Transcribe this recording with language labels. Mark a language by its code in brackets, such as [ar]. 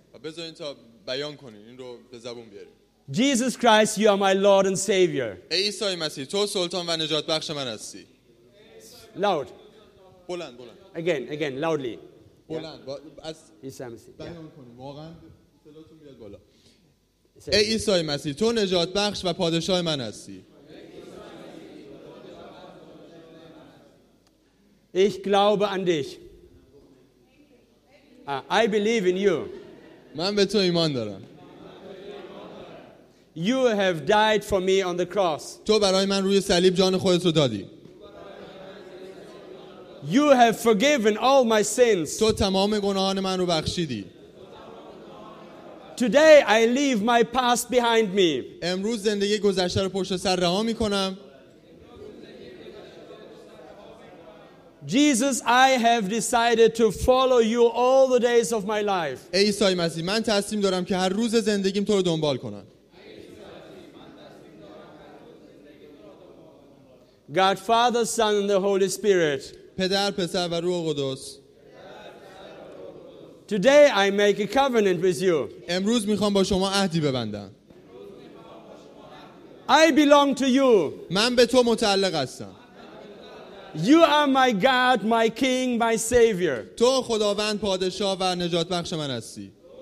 [fa] و بذارین تا بیان کنین این رو به زبون بیاریم. [en] Jesus Christ, you are my Lord and Savior. [fa] ای عیسی مسیح، تو سلطان و نجات بخش من هستی. [en] Loud. [fa] بلند، بلند. [en] Again, loudly. [fa] بلند. عیسی مسیح. بیان کنین واقعا صداتون میاد بالا. ای عیسی مسیح تو نجات بخش و پادشاه من هستی. [de] Ich glaube an dich. [en] I believe in you. [fa] من به تو ایمان دارم. [en] You have died for me on the cross. [fa] تو برای من روی صلیب جان خودت رو دادی. [en] You have forgiven all my sins. [fa] تو تمام گناهان من رو بخشیدی. [en] Today I leave my past behind me. [fa] امروز زندگی گذشته رو پشت سر رها می کنم. [en] Jesus, I have decided to follow you all the days of my life. [fa] ای عیسی مسیح من تصمیم دارم که هر روز زندگیم تو رو دنبال کنم. [en] God, Father, Son and the Holy Spirit. [fa] پدر، پسر و روح قدوس. [en] Today I make a covenant with you. [fa] امروز میخوام با شما عهدی ببندم. [en] I belong to you. [fa] من به تو متعلق هستم. [en] You are my God, my King, my Savior. [fa] تو خداوند پادشاه و نجات بخش من هستی.